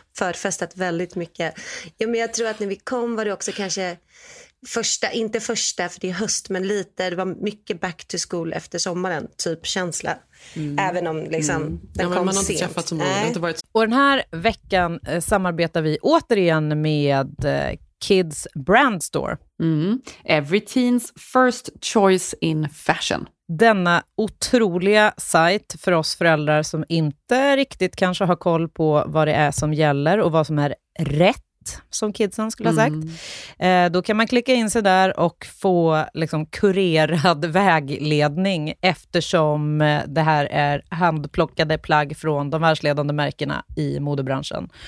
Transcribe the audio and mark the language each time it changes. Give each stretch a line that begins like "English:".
Swedish: Förfestat väldigt mycket. Ja, men jag tror att när vi kom var det också kanske första, inte första för det är höst, men lite, det var mycket
English: back to school
Swedish: efter sommaren typ känsla. Även om liksom den kom sent. Inte träffat så många. Det har inte varit. Och den här veckan samarbetar vi återigen med Kids Brand Store.
English: Every teen's first choice in fashion.
Swedish: Denna otroliga sajt för oss föräldrar som inte riktigt kanske har koll på vad det är som gäller och vad som är rätt. som kidsen skulle ha sagt. Då kan man klicka in sig där och få liksom kurerad vägledning, eftersom det här är handplockade plagg från de världsledande märkena i modebranschen.